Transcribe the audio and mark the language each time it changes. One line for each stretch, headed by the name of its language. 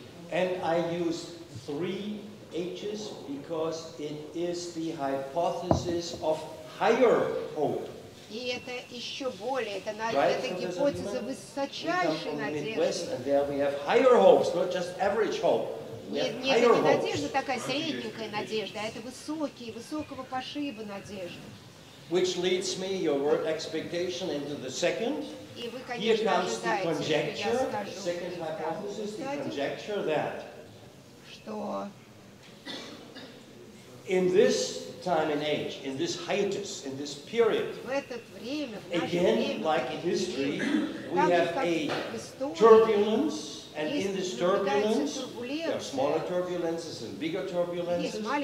English: And I use three H's because it is the hypothesis of higher hope.
Russian: И это еще более, это гипотеза высочайшей надежды.
English: We come from the Midwest, and there we have higher hopes, not just average hope.
Russian: Нет, это не надежда такая средненькая надежда, это высокие, высокого пошиба надежды.
English: Which leads me, your word expectation, into the second. Here comes the conjecture, the second hypothesis, the conjecture that
Russian: что
English: in this time and age, in this hiatus, in this period, again, like in history, we have a turbulence, and in this turbulence, there are smaller turbulences and bigger turbulences.